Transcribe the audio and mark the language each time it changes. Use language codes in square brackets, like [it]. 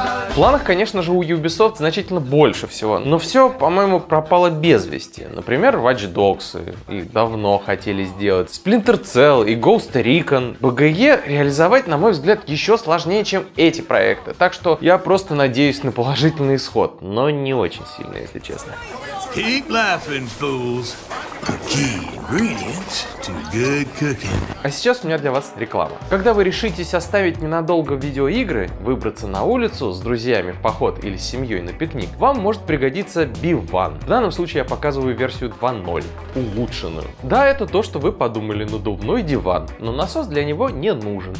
[ru] В планах, конечно же, у Ubisoft значительно больше всего, но все, по-моему, пропало без вести. Например, Watch Dogs, их давно хотели сделать, Splinter Cell и Ghost Recon. БГЕ реализовать, на мой взгляд, еще сложнее, чем эти проекты, так что я просто надеюсь на положительный исход, но не очень сильно, если честно. [en] Keep laughing, fools. The key ingredients to good cooking. [ru] А сейчас у меня для вас реклама. Когда вы решитесь оставить ненадолго видеоигры, выбраться на улицу с друзьями в поход или с семьей на пикник, вам может пригодиться B1. В данном случае я показываю версию 2.0, улучшенную. Да, это то, что вы подумали, надувной диван, но насос для него не нужен.